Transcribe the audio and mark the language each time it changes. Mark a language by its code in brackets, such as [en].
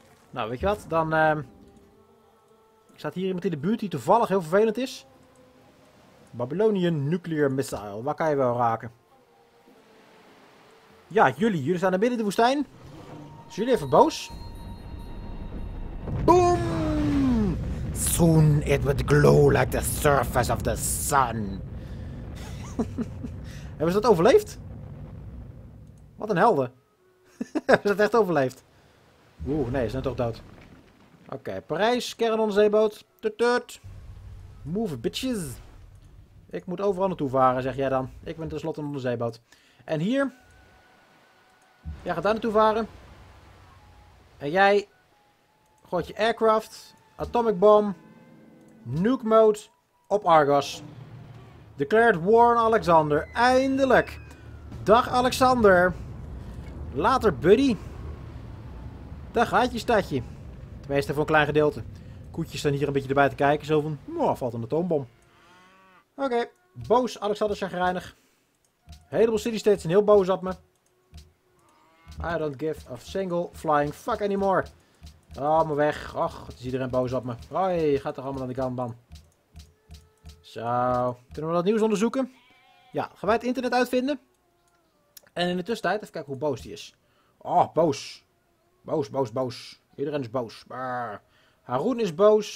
[nl] Nou, weet je wat? Dan staat hier iemand in de buurt die toevallig heel vervelend is. [en] Babylonian Nuclear Missile. [nl] Waar kan je wel raken? Ja, jullie staan er binnen in de woestijn. Zijn jullie even boos? Boom! [en] Soon it would glow like the surface of the sun. [nl] Hebben ze dat overleefd? Wat een helden. Hebben ze dat echt overleefd? Oeh, nee, ze zijn toch dood. Oké, Parijs, kernonderzeeboot. Tut-tut. [en] Move, bitches. [nl] Ik moet overal naartoe varen, zeg jij dan. Ik ben tenslotte een onderzeeboot. En hier. Jij gaat daar naartoe varen. En jij. Gooit je aircraft. [en] Atomic bomb. Nuke mode. [nl] Op Argos. [en] Declared war on Alexander. [nl] Eindelijk. Dag, Alexander. [en] Later, buddy. [nl] Daar gaat je stadje. Tenminste voor een klein gedeelte. Koetjes staan hier een beetje erbij te kijken. Zo van, oh, valt een atoombom. Oké, boos Alexander Chagrijnig. Heleboel city states zijn heel boos op me. [en] I don't give a single flying fuck anymore. [nl] Oh, mijn weg. Och, wat is iedereen boos op me. Oh, je gaat toch allemaal aan de kanban. Zo, kunnen we dat nieuws onderzoeken? Ja, gaan wij het internet uitvinden. En in de tussentijd, even kijken hoe boos die is. Oh, boos. Boos, boos, boos. Iedereen is boos. Brrr. Haroon is boos.